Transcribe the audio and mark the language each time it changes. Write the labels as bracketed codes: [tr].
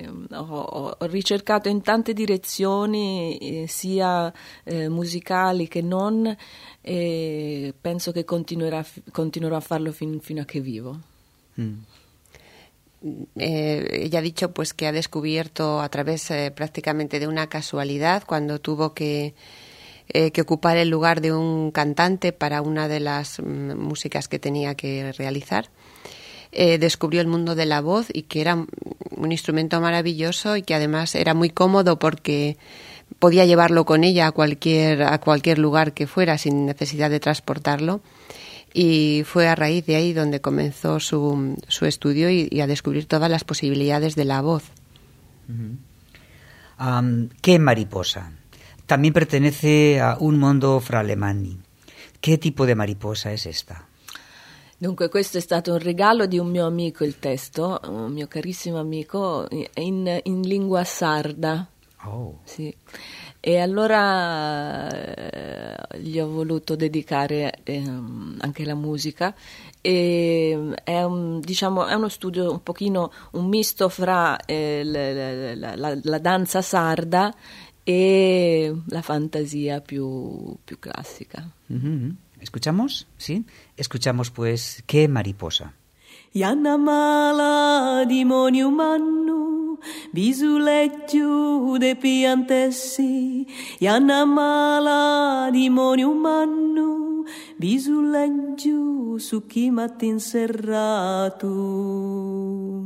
[it] Ho ricercato in tante direzioni, sia musicali che non, e penso che continuerò a farlo fino a che vivo. [es] Ella ha dicho pues que ha descubierto a través prácticamente de una casualidad, cuando tuvo que ocupar el lugar de un cantante para una de las músicas que tenía que realizar, descubrió el mundo de la voz y que era un instrumento maravilloso y que además era muy cómodo porque podía llevarlo con ella a cualquier lugar que fuera sin necesidad de transportarlo. Y fue a raíz de ahí donde comenzó su estudio y a descubrir todas las posibilidades de la voz. ¿Qué mariposa? También pertenece a un mondo fra le mani. ¿Qué tipo de mariposa es esta? [it] Dunque, questo è stato un regalo di un mio amico, il testo, un mio carissimo amico, in lingua sarda. Oh. Sì. E allora gli ho voluto dedicare anche la musica, e è uno studio un pochino un misto fra la danza sarda e la fantasia più classica. [es] Escuchamos, sì? Escuchamos pues Che mariposa. Yanna mala di moni umanno bisuleggio de piantessi, yanna mala di moni umanno bisuleggio su chi mattin serrato.